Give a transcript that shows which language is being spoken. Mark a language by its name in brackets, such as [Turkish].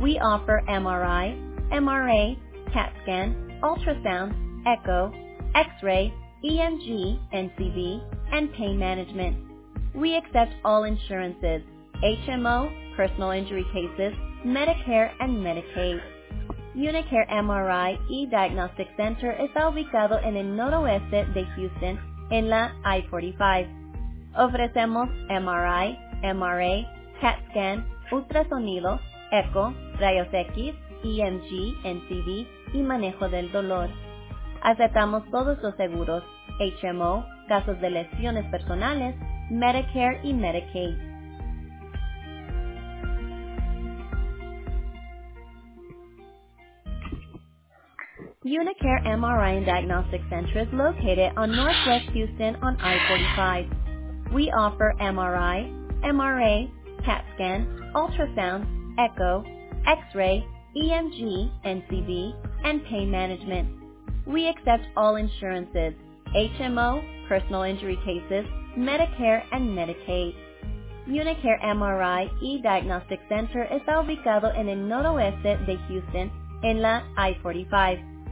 [English] We offer MRI, MRA, CAT scan, ultrasound, echo, X-ray, EMG, NCV, and pain management. We accept all insurances, HMO, personal injury cases, Medicare, and Medicaid. [Spanish] Unicare MRI e-Diagnostic Center está ubicado en el noroeste de Houston, en la I-45. Ofrecemos MRI, MRA, CAT scan, ultrasonido, echo, rayos X, EMG, NCV y manejo del dolor. Aceptamos todos los seguros, HMO, casos de lesiones personales, Medicare y Medicaid. [English] Unicare MRI and Diagnostic Center is located on Northwest Houston on I-45. We offer MRI, MRA, CAT scan, ultrasound, echo, X-ray, EMG, NCV, and pain management. We accept all insurances, HMO, personal injury cases, Medicare, and Medicaid. [Spanish] Unicare MRI e-Diagnostic Center está ubicado en el noroeste de Houston, en la I-45.